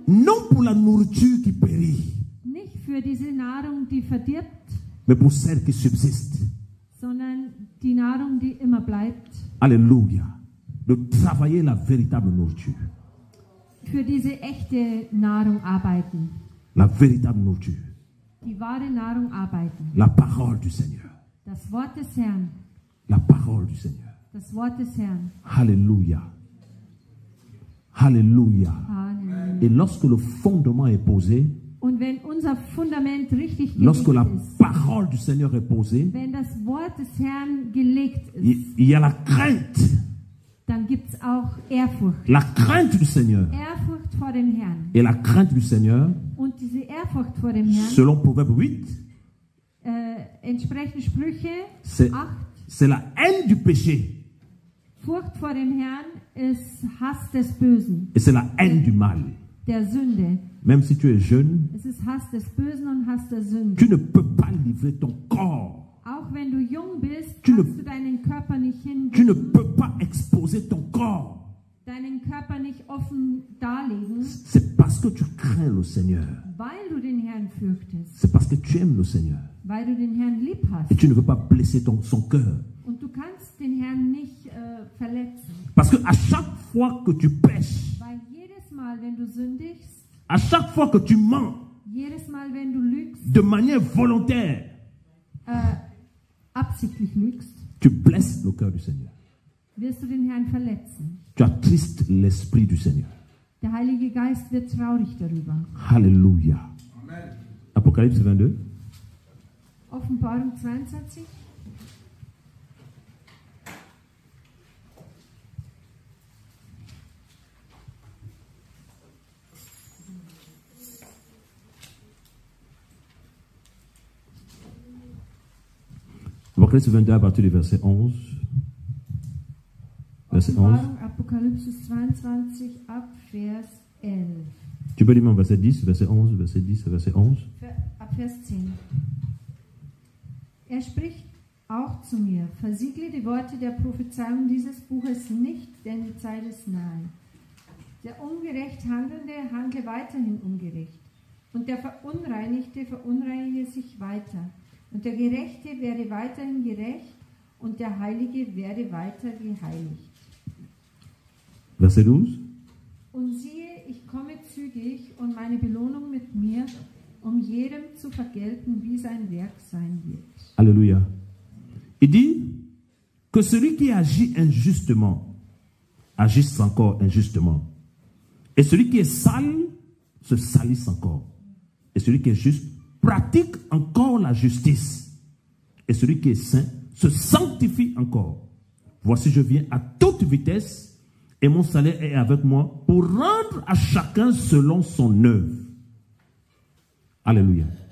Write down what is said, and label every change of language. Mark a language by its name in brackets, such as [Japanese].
[French] Non pour la nourriture qui périt. [German] Nicht für diese Nahrung, die verdirbt. [French] Mais pour celle qui subsiste. [German] Sondern die Nahrung, die immer bleibt. [French] Alléluia. De travailler la véritable nourriture. [German] Für diese echte Nahrung arbeiten. [French] La véritable nourriture. [German] Die wahre Nahrung arbeiten. [French] La parole du Seigneur. [German] Das Wort des Herrn. [French] La parole du Seigneur. [German] Das Wort des Herrn. [French] Alléluia. Alléluia. Amen. Et lorsque le fondement est posé, [German] und wenn unser Fundament richtig gelegt [French] lorsque la [German] ist, [French] parole du Seigneur est posée, [German] wenn das Wort des Herrn gelegt ist, [French] y a la crainte. [German] Dann gibt's auch Ehrfurcht. [French] La crainte du Seigneur. [German] Ehrfurcht vor dem Herrn. [French] Et la crainte du Seigneur. [German] Und diese Ehrfurcht vor dem Herrn. [French] Selon Proverbe 8. [German] Entsprechend Sprüche 8. [French] C'est la haine du péché. [German] Furcht vor dem Herrn ist Hass des Bösen. [French] Et c'est la haine du mal. [German] Der Sünde. [French] Même si tu es jeune. [German] Es ist Hass des Bösen und Hass der Sünde. [French] Tu ne peux pas livrer ton corps. [German] Auch wenn du jung bist, kannst du deinen Körper nicht hingeben. [French] Tu ne peux pas exposer ton corps. [German] Deinen Körper nicht offen darlegen. [French] C'est parce que tu crains le Seigneur. [German] Weil du den Herrn fürchtest. [French] C'est parce que tu aimes le Seigneur. [German] Weil du den Herrn lieb hast. [French] Et tu ne veux pas blesser son cœur. [German] Und du kannst den Herrn nicht verletzen. [French] Parce que à chaque fois que tu pèches, [German] weil jedes Mal, wenn du sündigst, [French] à chaque fois que tu mens, [German] jedes Mal, wenn du lügst, [French] de manière volontaire, [German] absichtlich lügst, [French] tu blesses le cœur du Seigneur. [German] Wirst du den Herrn verletzen. [French] Tu attristes l'esprit du Seigneur. [German] Der Heilige Geist wird traurig darüber. Halleluja. Amen. [French] Apocalypse 22. [German] Offenbarung 22. [French] Apocalypse 22 à partir du verset 11. Verset 11. Apocalypse 22 à vers 11. Tu peux lire mon verset 10, verset 11, verset 10, verset 11. [German] Ab vers 10. Er spricht auch zu mir. Versiegle die Worte der Prophezeiung dieses Buches nicht, denn die Zeit ist nahe. Der ungerecht Handelnde handle weiterhin ungerecht. Und der Verunreinigte verunreinige sich weiter. Und der Gerechte werde weiterhin gerecht und der Heilige werde weiter geheiligt. Was ist los? Und siehe, ich komme zügig und meine Belohnung mit mir, um jedem zu vergelten, wie sein Werk sein wird. Alleluja. [French] Il dit que celui qui agit injustement agisse encore injustement. Et celui qui est sale se salisse encore. Et celui qui est juste pratique encore la justice. Et celui qui est saint se sanctifie encore. Voici, je viens à toute vitesse et mon salaire est avec moi pour rendre à chacun selon son œuvre. Alléluia.